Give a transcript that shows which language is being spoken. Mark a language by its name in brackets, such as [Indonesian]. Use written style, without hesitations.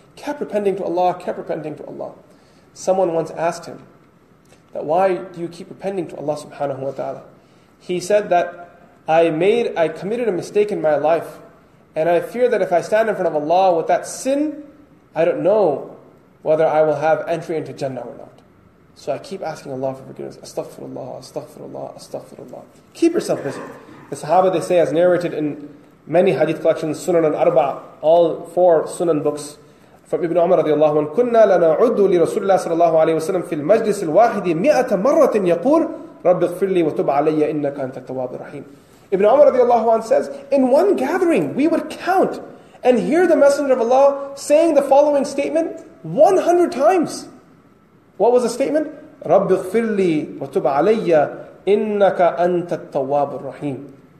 [English] Kept repenting to Allah, kept repenting to Allah. Someone once asked him, that why do you keep repenting to Allah subhanahu wa ta'ala? He said that I committed a mistake in my life, and I fear that if I stand in front of Allah with that sin, I don't know whether I will have entry into Jannah or not. So I keep asking Allah for forgiveness. Astaghfirullah, astaghfirullah, astaghfirullah. Keep yourself busy. The Sahaba, they say, as narrated in many hadith collections, Sunan al-Arba, all four Sunan books from Ibn Umar radiallahu anhu, [Arabic] كنا لنعد لرسول الله صلى الله عليه وسلم في المجلس الواحد 100 مرة يقول رب اغفر لي وتب علي إنك أنت التواب الرحيم. [English] Ibn Umar radiallahu anhu says, in one gathering, we would count and hear the Messenger of Allah saying the following statement 100 times. What was the statement? [Arabic] رَبِّ اغْفِرْ لِي وَتُبْ عَلَيَّ إِنَّكَ أَنْتَ التَّوَّابُ الرَّحِيمُ.